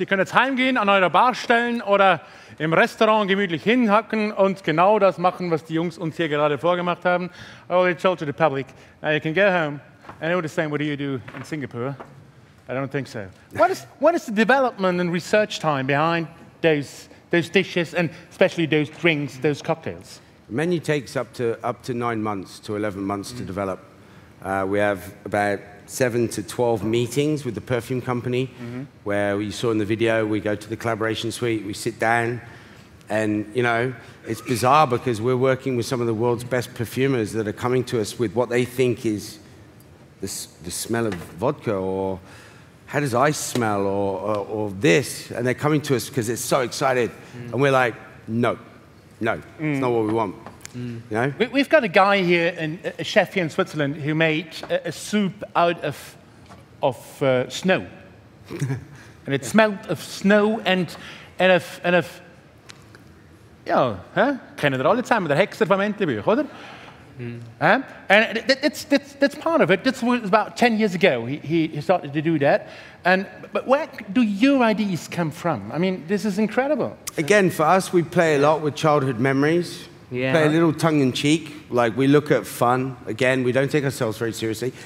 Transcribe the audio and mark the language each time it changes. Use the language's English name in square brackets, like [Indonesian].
[German] Ihr könnt jetzt heimgehen, an eurer Bar stellen oder im Restaurant gemütlich hinhacken und genau das machen, was die Jungs uns hier gerade vorgemacht haben. [English] I already told to the public, now you can go home. And it would say, what do you do in Singapore? I don't think so. What is the development and research time behind those dishes and especially those drinks, those cocktails? Menu takes up to 9 months to 11 months to develop. We have about 7 to 12 meetings with the perfume company, where you saw in the video, we go to the collaboration suite, we sit down, and you know, it's bizarre because we're working with some of the world's best perfumers that are coming to us with what they think is the smell of vodka, or how does ice smell, or this, and they're coming to us because it's so excited, and we're like, no, it's not what we want. Mm. You know? We've got a guy here, a chef here in Switzerland, who made a soup out of snow. And it smelled of snow and of [German] Ja, hä? Kennen wir alle zusammen, der Hexer vom Entenbüch, oder? [English] Mm. And that's part of it. This was about 10 years ago he started to do that. But where do your ideas come from? I mean, this is incredible. Again, for us, we play a lot with childhood memories. Yeah. Play a little tongue-in-cheek. Like, we look at fun. Again, we don't take ourselves very seriously.